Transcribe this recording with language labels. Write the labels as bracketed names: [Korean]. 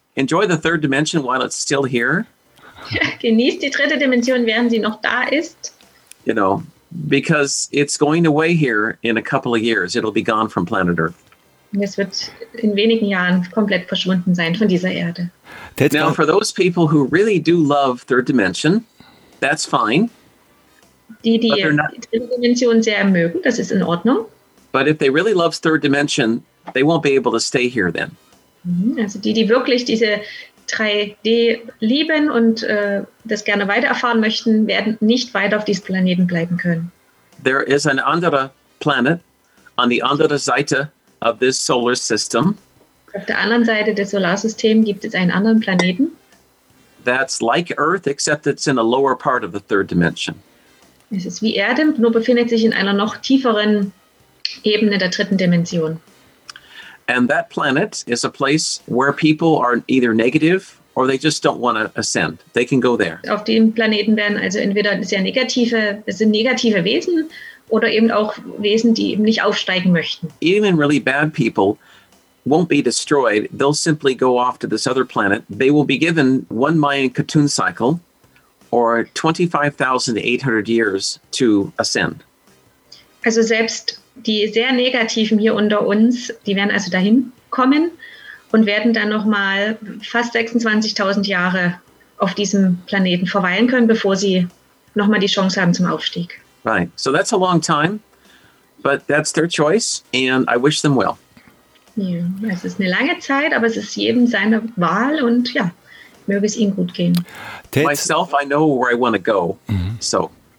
[English] Enjoy the 3rd dimension while it's still here. [German] Genießt die 3. Dimension, während sie noch da ist. [English] You know, because it's going away here in a couple of years. It'll be gone from planet Earth. [German] Es wird in wenigen Jahren komplett verschwunden sein von dieser Erde. [English] Now, for those people who really do love 3rd dimension, that's fine. [German] Die 3. Dimension sehr mögen, das ist in Ordnung. [English] But if they really love third dimension, they won't be able to stay here then. [German] Also die, die wirklich diese 3D lieben und das gerne weiter erfahren möchten, werden nicht weiter auf diesem Planeten bleiben können. [English] There is an [German] anderer [English] planet on the [German] andere Seite [English] of this solar system. [German] Auf der anderen Seite des Solarsystems gibt es einen anderen Planeten. [English] That's like Earth, except it's in a lower part of the third dimension. [German] Es ist wie Erde, nur befindet sich in einer noch tieferen Ebene der dritten Dimension. [English] And that planet is a place where people are either negative or they just don't want to ascend. They can go there. [German] Auf dem Planeten werden also entweder sehr negative, es sind negative Wesen oder eben auch Wesen, die eben nicht aufsteigen möchten. [English] Even really bad people won't be destroyed. They'll simply go off to this other planet. They will be given one Mayan Ketun cycle or 25,800 years to ascend. [German] Also selbst die sehr Negativen hier unter uns, die werden also dahin kommen und werden dann nochmal fast 26.000 Jahre auf diesem Planeten verweilen können, bevor sie nochmal die Chance haben zum Aufstieg. [English] Right, so that's a long time, but that's their choice and I wish them well. [German] Ja, es ist eine lange Zeit, aber es ist jedem seine Wahl und ja, möge es ihnen gut gehen. [English] Ted. Myself, I know where I want to go, so...